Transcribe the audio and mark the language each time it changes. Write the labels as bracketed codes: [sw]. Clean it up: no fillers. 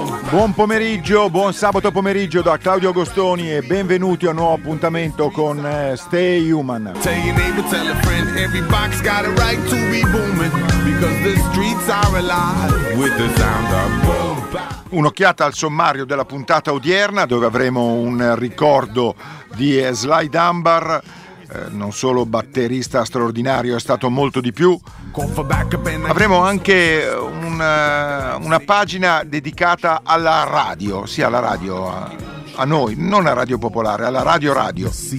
[it] Buon pomeriggio, buon sabato pomeriggio da Claudio Agostoni e benvenuti a un nuovo appuntamento con Stay Human. [en] Tell your neighbor, tell a friend, every box got a right to be booming, because the streets are alive with the sound of boom. [it] Un'occhiata al sommario della puntata odierna, dove avremo un ricordo di Sly Dunbar. Non solo batterista straordinario, è stato molto di più. Avremo anche una pagina dedicata alla radio, sì, alla radio, a noi, non a Radio Popolare, alla Radio Radio.